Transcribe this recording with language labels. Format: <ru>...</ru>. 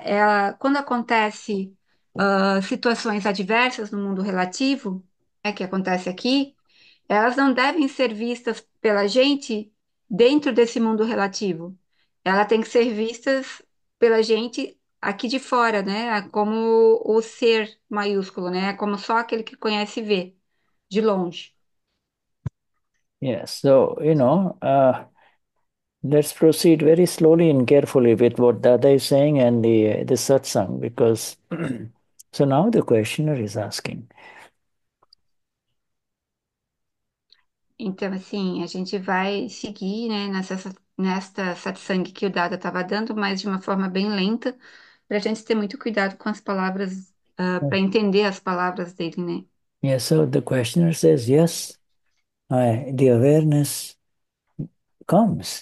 <pt>Ela, quando acontece situações adversas no mundo relativo, né, que acontece aqui, elas não devem ser vistas pela gente dentro desse mundo relativo. Ela tem que ser vistas pela gente aqui de fora, né? Como o ser maiúsculo, né? Como só aquele que conhece vê de longe.</pt> <en>Yes, so, you know, let's proceed very slowly and carefully with what Dada is saying and the satsang, because so now the questioner is asking.</en> <pt>Então, assim, a gente vai seguir, né, nesta satsang que o Dada estava dando, mas de uma forma bem lenta, para a gente ter muito cuidado com as palavras, para entender as palavras dele, né?</pt> <en>Yes, so the questioner says, yes, the awareness comes.</en>